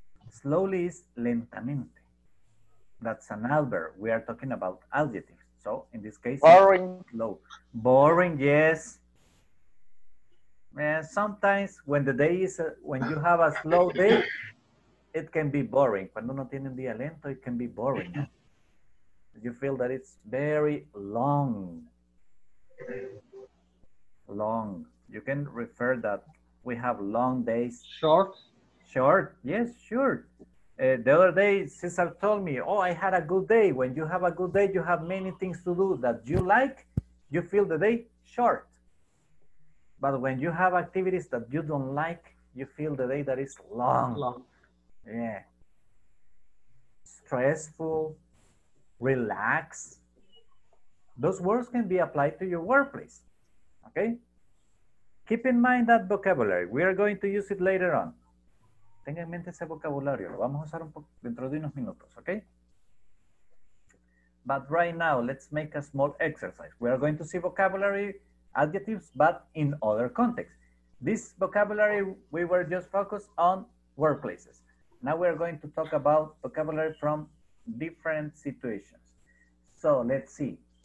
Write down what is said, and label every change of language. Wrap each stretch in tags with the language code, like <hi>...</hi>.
<en>Slowly is lentamente. That's an adverb. We are talking about adjectives. So in this case, boring. Slow. Boring, yes. And sometimes when the day is, when you have a slow day, it can be boring.</en> <es>Cuando uno tiene un día lento,</es> <en>it can be boring. You feel that it's very long. Long. You can refer that. We have long days. Short. Short, yes, sure. The other day, Cesar told me, oh, I had a good day. When you have a good day, you have many things to do that you like, you feel the day short. But when you have activities that you don't like, you feel the day that is long. Long. Yeah. Stressful, relax. Those words can be applied to your workplace, okay? Keep in mind that vocabulary. We are going to use it later on.</en> <es>Tenga en mente ese vocabulario. Lo vamos a usar un poco dentro de unos minutos, ¿ok?</es> <en>But right now, let's make a small exercise. We are going to see vocabulary adjectives, but in other contexts. This vocabulary, we were just focused on workplaces. Now we are going to talk about vocabulary from different situations. So let's see.</en>